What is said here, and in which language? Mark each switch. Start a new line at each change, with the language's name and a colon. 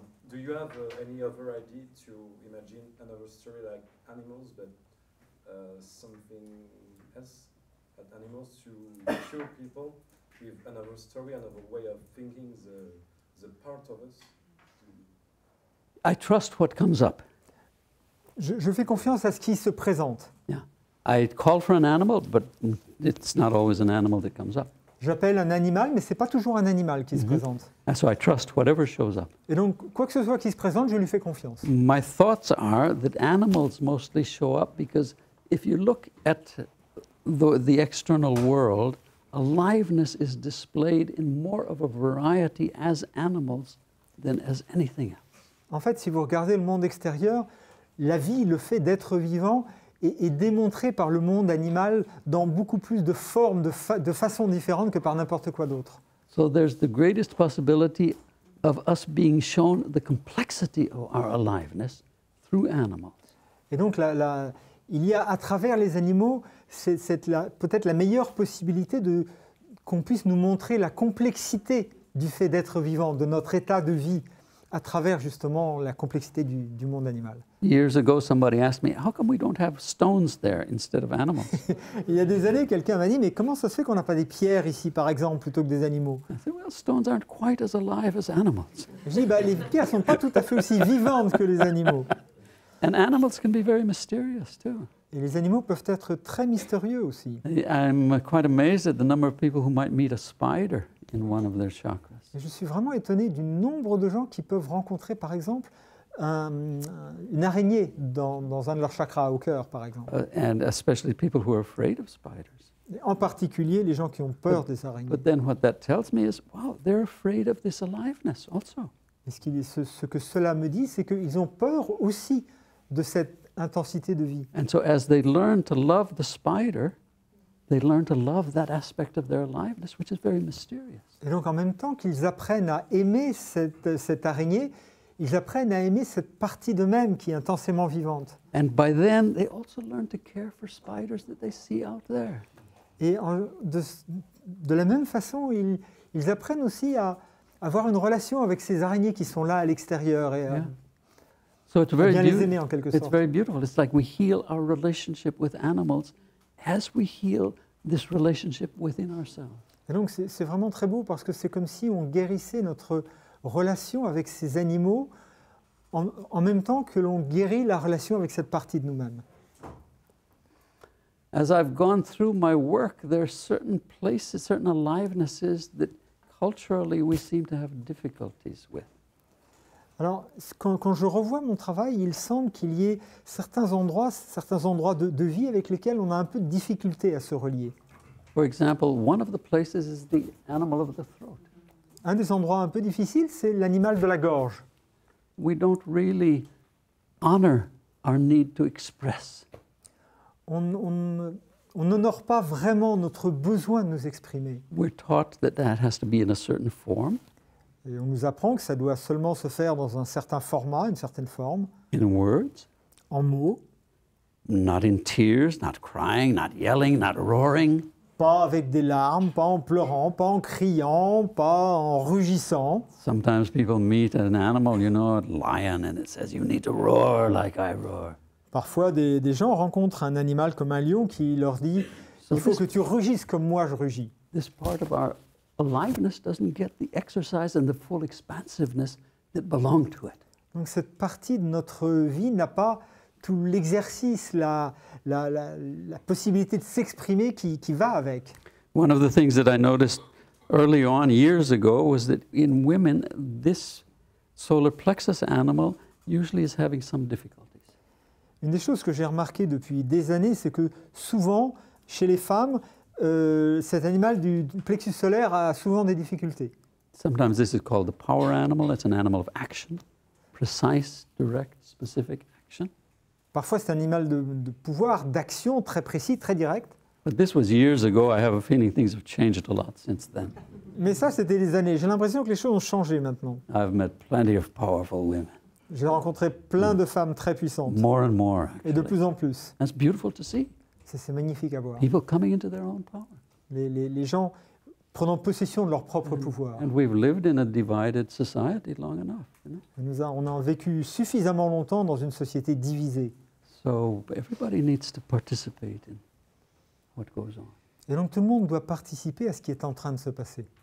English: Do you have any other idea to imagine another story like animals, but something else, but animals to cure people with another story, another way of thinking the part of us? I trust what comes up.
French: Je fais confiance à ce qui se présente.
English: Yeah. I call for an animal, but it's not always an animal that comes up.
French: J'appelle un animal, mais ce n'est pas toujours un animal qui se présente.
English: And so I trust whatever shows up.
French: Et donc, quoi que ce soit qui se présente, je lui fais confiance.
English: My thoughts are that animals mostly show up because if you look at the external world, aliveness is displayed in more of a variety as animals than as anything else.
French: En fait, si vous regardez le monde extérieur, la vie, le fait d'être vivant, est démontré par le monde animal dans beaucoup plus de formes, de façons différentes que par n'importe quoi d'autre.
English: So there's the greatest possibility of us being shown the complexity of our aliveness through animals.
French: Et donc, il y a à travers les animaux, peut-être la meilleure possibilité qu'on puisse nous montrer la complexité du fait d'être vivant, de notre état de vie, à travers justement la complexité du monde animal.
English: Years ago, somebody asked me, how come we don't have stones there instead of animals?
French: Il y a des années, quelqu'un m'a dit, mais comment ça se fait qu'on n'a pas des pierres ici, par exemple, plutôt que des animaux?
English: I said, well, stones aren't quite as alive as animals.
French: Je dis, les pierres ne sont pas tout à fait aussi vivantes que les animaux.
English: And animals can be very mysterious too.
French: Et les animaux peuvent être très mystérieux aussi.
English: I'm quite amazed at the number of people who might meet a spider in one of their chakras.
French: Et je suis vraiment étonné du nombre de gens qui peuvent rencontrer, par exemple, une araignée dans un de leurs chakras au cœur, par exemple.
English: And especially people who are afraid of spiders.
French: Et en particulier les gens qui ont peur des araignées.
English: But then what that tells me is, wow, they're afraid of this aliveness also.
French: Et ce que cela me dit, c'est qu'ils ont peur aussi de cette intensité de vie.
English: And so as they learn to love the spider, they learn to love that aspect of their aliveness, which is very mysterious.
French: Et donc en même temps qu'ils apprennent à aimer cette araignée, ils apprennent à aimer cette partie d'eux-mêmes qui est intensément vivante.
English: And by then, they also learn to care for spiders that they see out there.
French: Et de la même façon, ils apprennent aussi à avoir une relation avec ces araignées qui sont là à l'extérieur et yeah.
English: So it's very
French: bien les aimer en quelque sorte.
English: It's very beautiful. It's like we heal our relationship with animals as we heal this relationship within ourselves.
French: Et donc c'est vraiment très beau parce que c'est comme si on guérissait notre relation avec ces animaux en même temps que l'on guérit la relation avec cette partie de nous-mêmes.
English: As I've gone through my work, there are certain places, certain alivenesses that culturally, we seem to have difficulties with.
French: Alors, quand je revois mon travail, il semble qu'il y ait certains endroits de vie avec lesquels on a un peu de difficulté à se relier.
English: For example, one of the places is the animal of the throat.
French: Un des endroits un peu difficiles, c'est l'animal de la gorge.
English: We don't really honor our need to express.
French: On n'honore pas vraiment notre besoin de nous exprimer.
English: We're taught that that has to be in a certain form.
French: Et on nous apprend que ça doit seulement se faire dans un certain format, une certaine forme.
English: In words.
French: En mots.
English: Not in tears, not crying, not yelling, not roaring.
French: Pas avec des larmes, pas en pleurant, pas en criant, pas en rugissant.
English: Sometimes people meet an animal, you know, a lion, and it says you need to roar like I roar.
French: Parfois, des gens rencontrent un animal comme un lion qui leur dit « Il faut que tu rugisses comme moi, je rugis. »
English: This part of our aliveness doesn't get the exercise and the full expansiveness that belong to it.
French: Donc cette partie de notre vie n'a pas tout l'exercice, la possibilité de s'exprimer qui va avec.
English: One of the things that I noticed early on, years ago, was that in women, this solar plexus animal usually is having some difficulty.
French: Une des choses que j'ai remarquées depuis des années, c'est que souvent, chez les femmes, cet animal du plexus solaire a souvent des difficultés.
English: Sometimes this is called the power animal. It's an animal of action, precise, direct, specific action.
French: Parfois, c'est un animal de pouvoir, d'action, très précis, très direct.
English: But this was years ago. I have a feeling things have changed a lot since then.
French: Mais ça, c'était des années. J'ai l'impression que les choses ont changé maintenant.
English: I've met plenty of powerful women.
French: J'ai rencontré plein de femmes très puissantes.
English: More and more, actually.
French: Et de plus en plus.
English: That's beautiful to see.
French: C'est magnifique à voir.
English: People coming into their own power.
French: Les gens prenant possession de leur propre pouvoir.
English: And we've lived in a divided society long enough, you know?
French: On a vécu suffisamment longtemps dans une société divisée.
English: So everybody needs to participate in what goes on.
French: Et donc tout le monde doit participer à ce qui est en train de se passer.